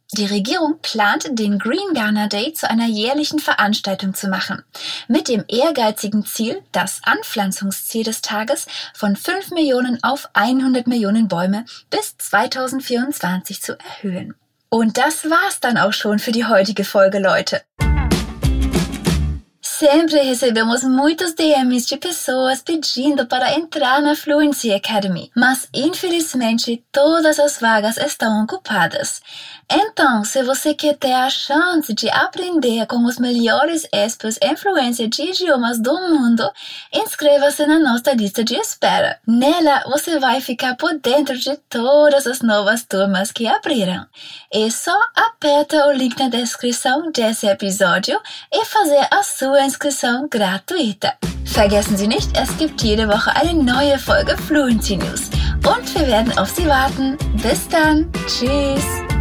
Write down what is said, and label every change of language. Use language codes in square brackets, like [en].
[de] Die Regierung plant, den Green Ghana Day zu einer jährlichen Veranstaltung zu machen, mit dem ehrgeizigen Ziel, das Anpflanzungsziel des Tages von 5 Millionen auf 100 Millionen Bäume bis 2024 zu erhöhen. Und das war's dann auch schon für die heutige Folge, Leute. [pt] Sempre recebemos muitos DMs de pessoas pedindo para entrar na Fluency Academy, mas infelizmente todas as vagas estão ocupadas. Então, se você quer ter a chance de aprender com os melhores experts em fluência de idiomas do mundo, inscreva-se na nossa lista de espera. Nela, você vai ficar por dentro de todas as novas turmas que abriram. É só apertar o link na descrição desse episódio e fazer a sua Inscription gratuita. [de] Vergessen Sie nicht, es gibt jede Woche eine neue Folge Fluency News. Und wir werden auf Sie warten. Bis dann. Tschüss.